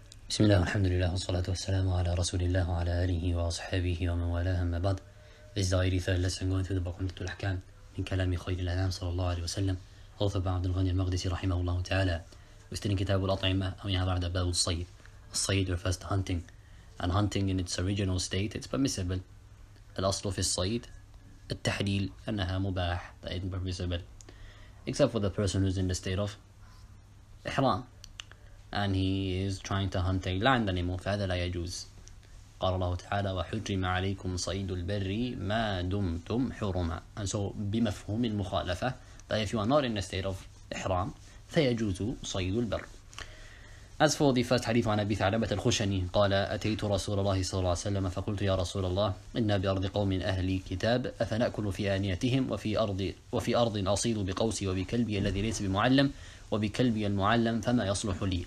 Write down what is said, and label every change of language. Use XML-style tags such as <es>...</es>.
<ar>بسم الله والحمد لله والصلاة والسلام على رسول الله وعلى آله وأصحابه ومن والاه. أما بعد,</ar> <en>this is the 83rd lesson going through the book Umdat Ahkaam</en> <ar>من كلام خير الأنام صلى الله عليه وسلم</ar> <en>authored by</en> <ar>عبد الغني المقدسي رحمه الله تعالى within كتاب الأطعمة أو يعني بعد باب الصيد.</ar> <en>الصيد refers to hunting, and hunting in its original state it's permissible.</en> <ar>الأصل في الصيد التحليل أنها مباح,</ar> <en>that it's permissible except for the person who's in the state of إحرام and he is trying to hunt a land animal,</en> <ar>فهذا لا يجوز. قال الله تعالى وحرم عليكم صيد البر ما دمتم حرما.</ar> <en>And so</en> <ar>بمفهوم المخالفة,</ar> <en>that if you are not in a state of إحرام</en> <ar>فيجوز صيد البر.</ar> <en>As for the first</en> <ar>حديث عن أبي ثعلبة الخشني قال أتيت رسول الله صلى الله عليه وسلم فقلت يا رسول الله إنا بأرض قوم أهل كتاب أفنأكل في آنيتهم وفي أرض أصيد بقوسي وبكلبي الذي ليس بمعلم وبكلبي المعلم فما يصلح لي.</ar>